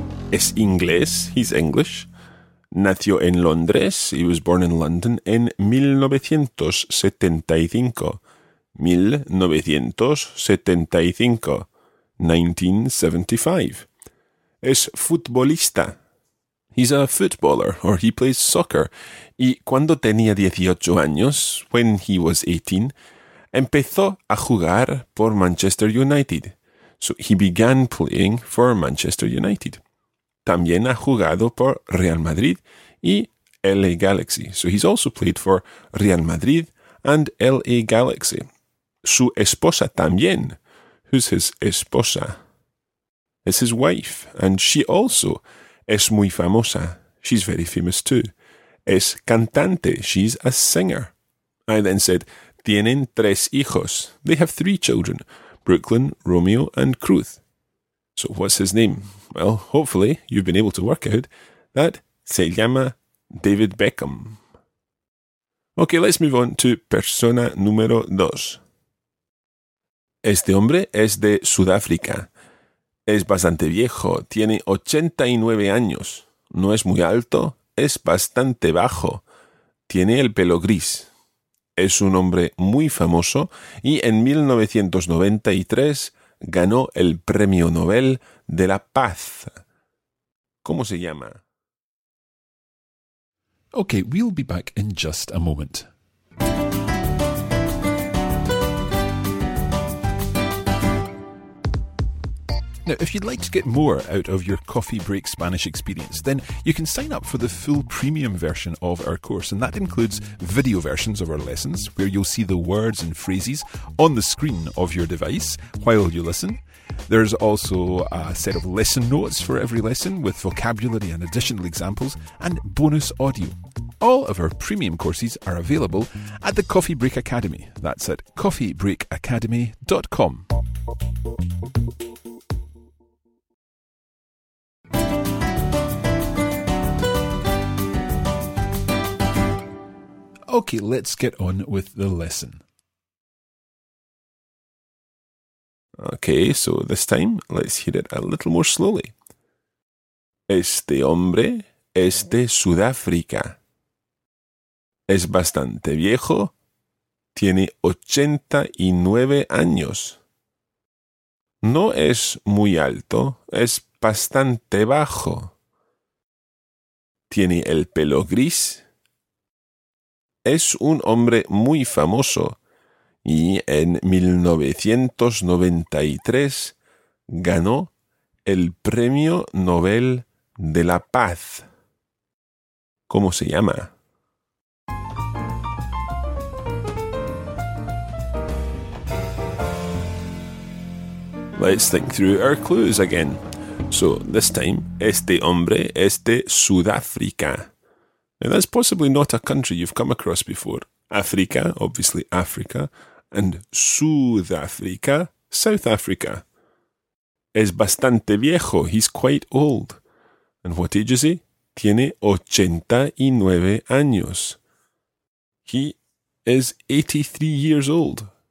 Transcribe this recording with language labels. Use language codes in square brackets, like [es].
[es] Es inglés, [en] he's English. [es] Nació en Londres, [en] he was born in London, [es] en 1975. 1975. 1975. Es futbolista. [en] He's a footballer, or he plays soccer. [es] Y cuando tenía 18 años, [en] when he was 18, [es] empezó a jugar por Manchester United. [en] So he began playing for Manchester United. [es] También ha jugado por Real Madrid y LA Galaxy. [en] So he's also played for Real Madrid and LA Galaxy. [es] Su esposa también. [en] Who's his esposa? It's his wife. And she also [es] es muy famosa. [en] She's very famous too. [es] Es cantante. [en] She's a singer. I then said, [es] tienen tres hijos. [en] They have three children: Brooklyn, Romeo, and Cruz. So what's his name? Well, hopefully you've been able to work out that [es] se llama David Beckham. [en] Okay, let's move on to [es] persona número dos. Este hombre es de Sudáfrica. Es bastante viejo, tiene 89 años. No es muy alto, es bastante bajo. Tiene el pelo gris. Es un hombre muy famoso y en 1993 ganó el Premio Nobel de la Paz. ¿Cómo se llama? [en] Okay, we'll be back in just a moment. Now, if you'd like to get more out of your Coffee Break Spanish experience, then you can sign up for the full premium version of our course, and that includes video versions of our lessons, where you'll see the words and phrases on the screen of your device while you listen. There's also a set of lesson notes for every lesson with vocabulary and additional examples, and bonus audio. All of our premium courses are available at the Coffee Break Academy. That's at coffeebreakacademy.com. Okay, let's get on with the lesson. Okay, so this time, let's hear it a little more slowly. [es] Este hombre es de Sudáfrica. Es bastante viejo. Tiene 89 años. No es muy alto. Es bastante bajo. Tiene el pelo gris. Es un hombre muy famoso y en 1993 ganó el Premio Nobel de la Paz. ¿Cómo se llama? [en] Let's think through our clues again. So, this time, [es] este hombre es de Sudáfrica. [en] Now that's possibly not a country you've come across before. Africa, obviously Africa, and Sudáfrica, South Africa. [es] Es bastante viejo, [en] he's quite old. And what age is he? [es] tiene 89 años. [en] He is 83 years old.